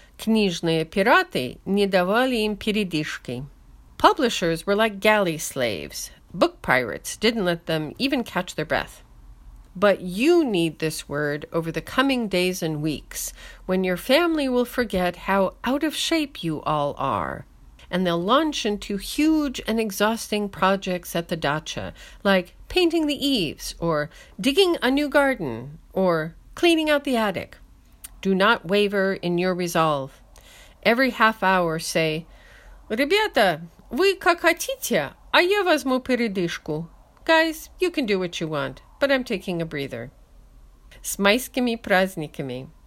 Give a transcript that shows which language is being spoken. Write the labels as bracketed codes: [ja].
[ru] Книжные пираты не давали им передышки. [en] Publishers were like galley slaves. Book pirates didn't let them even catch their breath. But you need this word over the coming days and weeks, when your family will forget how out of shape you all are. And they'll launch into huge and exhausting projects at the dacha, like painting the eaves, or digging a new garden, or cleaning out the attic. Do not waver in your resolve. Every half hour say, [ru] Ребята, вы как хотите, а я возьму передышку. [en] Guys, you can do what you want, but I'm taking a breather. [ru] С майскими праздниками.